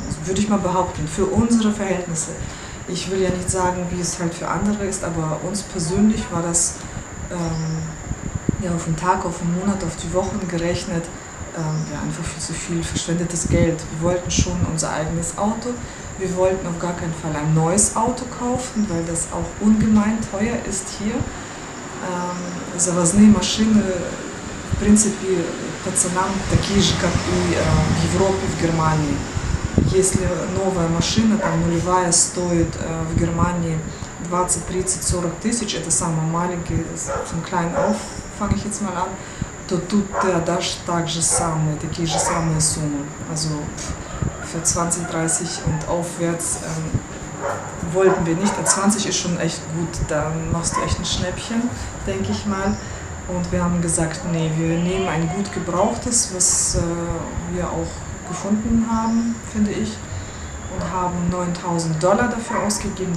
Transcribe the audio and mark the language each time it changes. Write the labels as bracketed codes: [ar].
[de] Also würde ich mal behaupten, für unsere Verhältnisse. Ich will ja nicht sagen, wie es halt für andere ist, aber uns persönlich war das auf den Tag, auf den Monat, auf die Wochen gerechnet, einfach viel zu viel verschwendetes Geld. Wir wollten schon unser eigenes Auto. Wir wollten auf gar keinen Fall ein neues Auto kaufen, weil das auch ungemein teuer ist hier. Also was eine Maschine [ru] в принципе по ценам такие же, как и в Европе, в Германии. Если новая машина, там нулевая, стоит в Германии 20, 30, 40 тысяч, это самый маленький, [de] zum kleinen auf, fange ich jetzt mal an, [ru] то тут ты отдашь так же самые, такие же самые суммы. [de] Also für 20, 30 und aufwärts wollten wir nicht. 20 ist schon echt gut, da machst du echt ein Schnäppchen, denke ich mal. Und wir haben gesagt, nee, wir nehmen ein gut gebrauchtes, was wir auch gefunden haben, finde ich, und haben $9,000 dafür ausgegeben.